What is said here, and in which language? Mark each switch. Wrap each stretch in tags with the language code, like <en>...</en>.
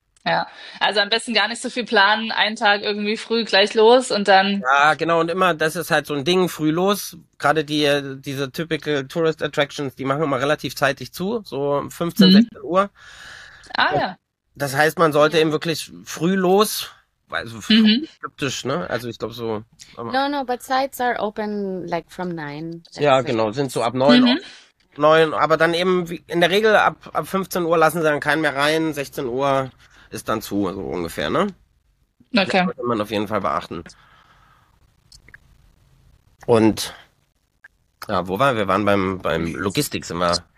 <de>Ja, also am besten gar nicht so viel planen, einen Tag irgendwie früh gleich los und dann. Ja, genau, und immer, das ist halt so ein Ding, früh los. Gerade diese</de> <en>typical Tourist Attractions,</en> <de>die machen immer relativ zeitig zu, so 15, 16 Uhr. Ja. Das heißt, man sollte eben wirklich früh los, also skeptisch, ne? Also ich glaube so.</de> <en>No, but sites are open like from 9, let's</en> <de>Ja,</de> <en>say.</en> <de>genau, sind so ab 9 offen. 9, aber dann eben wie in der Regel ab 15 Uhr lassen sie dann keinen mehr rein. 16 Uhr ist dann zu, so also ungefähr, ne? Das Okay. sollte man auf jeden Fall beachten. Und ja, wo waren wir? Wir waren beim Logistik, sind wir.</de>